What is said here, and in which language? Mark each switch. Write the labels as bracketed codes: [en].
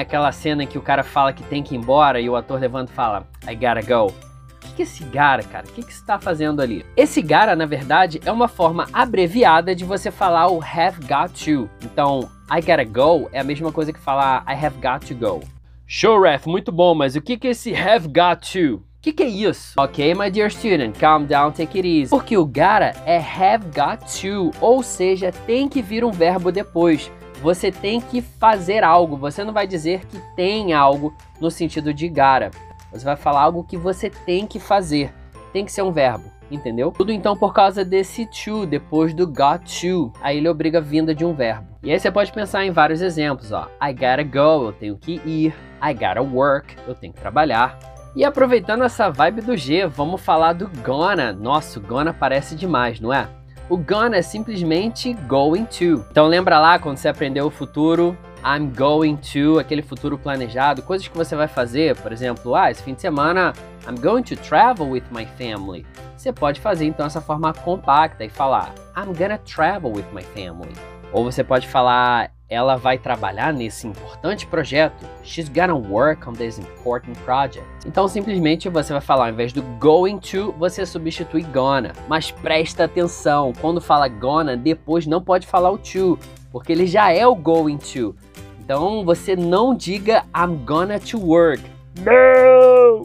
[pt] Aquela cena que o cara fala que tem que ir embora e o ator levanta e fala, [en] I gotta go. [pt] Que esse gara, cara? O que você está fazendo ali? Esse gara, na verdade, é uma forma abreviada de você falar o [en] have got to. [pt] Então, [en] I gotta go [pt] é a mesma coisa que falar [en] I have got to go. [pt] Show, Ref, muito bom, mas o que que é esse [en] have got to? [pt] Que é isso? [en] Ok, my dear student, calm down, take it easy. [pt] Porque o gara é [en] have got to, [pt] ou seja, tem que vir um verbo depois. Você tem que fazer algo. Você não vai dizer que tem algo no sentido de gara. Você vai falar algo que você tem que fazer. Tem que ser um verbo, entendeu? Tudo então por causa desse to, depois do got to. Aí ele obriga a vinda de um verbo. E aí você pode pensar em vários exemplos, ó. [en] I gotta go, [pt] eu tenho que ir. [en] I gotta work, [pt] eu tenho que trabalhar. E aproveitando essa vibe do G, vamos falar do gonna. Nossa, o gonna parece demais, não é? O gonna é simplesmente [en] going to. [pt] Então lembra lá quando você aprendeu o futuro? [en] I'm going to, [pt] aquele futuro planejado, coisas que você vai fazer, por exemplo, ah, esse fim de semana, [en] I'm going to travel with my family. [pt] Você pode fazer então essa forma compacta e falar, [en] I'm gonna travel with my family. [pt] Ou você pode falar, ela vai trabalhar nesse importante projeto. [en] She's gonna work on this important project. [pt] Então, simplesmente você vai falar, ao invés do going to, você substitui gonna. Mas presta atenção, quando fala gonna, depois não pode falar o to, porque ele já é o [en] going to. [pt] Então, você não diga [en] I'm gonna to work. [pt] Não!